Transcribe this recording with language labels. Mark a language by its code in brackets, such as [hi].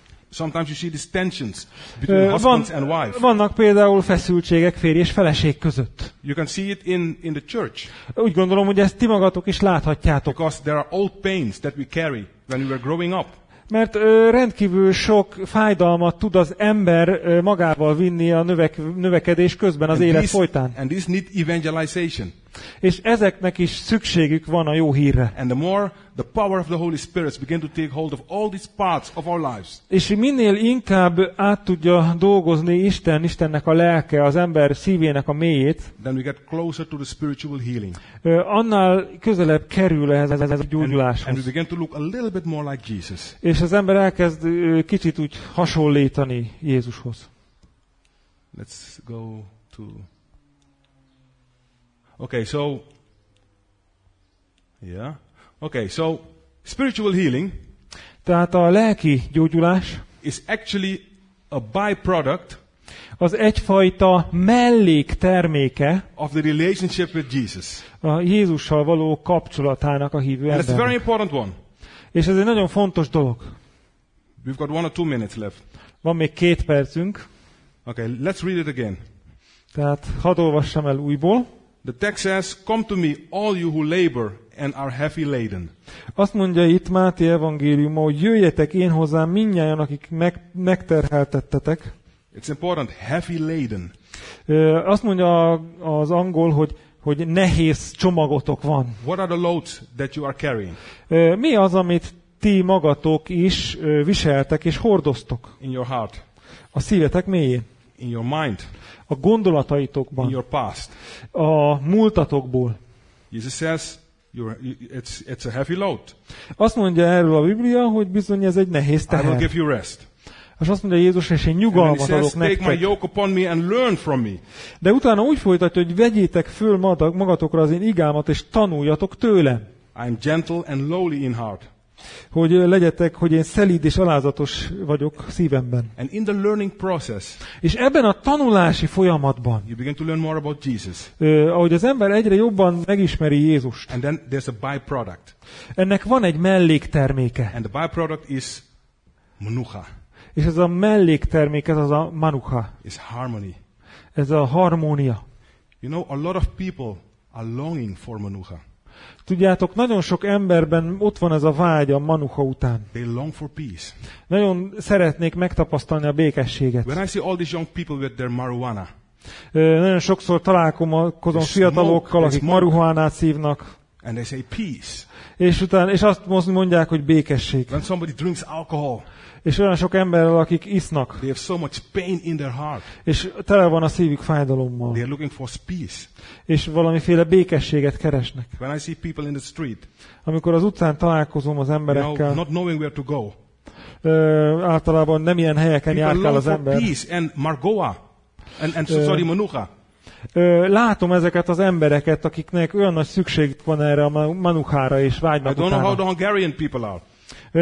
[en] Sometimes you see these tensions between husbands and wife. [hu] Vannak például feszültségek férj és feleség között. [en] You can see it in the church. [hu] Úgy gondolom, hogy ezt ti magatok is láthatjátok. [en] Because there are old pains that we carry when we were growing up. [hu] Mert rendkívül sok fájdalmat tud az ember magával vinni a növekedés közben az élet folytán. [en] And these need evangelization. [hu] És ezeknek is szükségük van a jó hírre. [en] And the more the power of the Holy Spirit begin to take hold of all these parts of our lives. [hu] És minél inkább át tudja dolgozni Istennek a lelke az ember szívének a mélyét, [en] then we get closer to the spiritual healing. [hu] Annál közelebb kerül ez a gyógyuláshoz. [en] And we begin to look a little bit more like Jesus. [hu] És az ember elkezd kicsit úgy hasonlítani Jézushoz. [en] Let's go to Okay, so spiritual healing, [hu] tehát a lelki gyógyulás, [en] is actually a byproduct, [hu] az egyfajta mellékterméke [en] of the relationship with Jesus. [hu] A Jézussal való kapcsolatának a hívő embernek. [en] That's a very important one. [hu] És ez egy nagyon fontos dolog. [en] We've got one or two minutes left. [hu] Van még 2 percünk. [en] Okay, let's read it again. [hu] Tehát hadd olvassam el újból. [en] The text says, "Come to me, all you who labor and are heavy laden." [hu] Azt mondja itt Máté evangéliuma, hogy jöjjetek én hozzám mindnyájan, akik megterheltettetek. [en] It's important, heavy laden. [hu] Azt mondja az angol, hogy nehéz csomagotok van. [en] What are the loads that you are carrying? [hu] Mi az, amit ti magatok is viseltek és hordoztok? [en] In your heart. [hu] A szívetek mélyén. [en] In your mind. [hu] A gondolataitokban. [en] In your past. [hu] A múltatokból. [en] Jesus says, it's a heavy load. [hu] Azt mondja erről a Biblia, hogy bizony ez egy nehéz teher. [en] I will give you rest. [hu] És azt mondja Jézus, és én nyugalmat adok nektek. [en] Take my yoke upon me and learn from me. [hu] De utána úgy folytatja, hogy vegyétek föl magatokra az én igámat, és tanuljatok tőlem. [en] I'm gentle and lowly in heart. [hu] Hogy legyetek, hogy én szelíd és alázatos vagyok szívemben. [en] And in the learning process, [hu] és ebben a tanulási folyamatban, [en] you begin to learn more about Jesus. [hu] Ahogy az ember egyre jobban megismeri Jézust, [en] and then there's a byproduct. [hu] Ennek van egy mellékterméke. [en] And the byproduct is manucha. [hu] És ez a melléktermék, ez az a manucha. [en] It's harmony. [hu] Ez a harmónia. [en] You know, a lot of people are longing for manucha. [hu] Tudjátok, nagyon sok emberben ott van ez a vágy a manucha után. [en] They long for peace. [hu] Nagyon szeretnék megtapasztalni a békességet. [en] When I see all these young people with their marijuana, [hu] nagyon sokszor találkozom fiatalokkal, akik marihuánát szívnak. [en] And they say peace. [hu] És azt mondják, hogy békesség. [en] When somebody drinks alcohol, [hu] és olyan sok emberrel, akik isznak, [en] they have so much pain in their heart, [hu] és tele van a szívük fájdalommal, [en] they are looking for peace, [hu] és valamiféle békességet keresnek. [en] When I see people in the street, [hu] amikor az utcán találkozom az emberekkel, [en] not knowing where to go, [hu] általában nem ilyen helyeken járkál az ember. [en] People looking for peace and margoa and sorry, manucha. [hu] Látom ezeket az embereket, akiknek olyan nagy szükségük van erre a manuchára és vágynak utána. [en] I don't know how the Hungarian people are.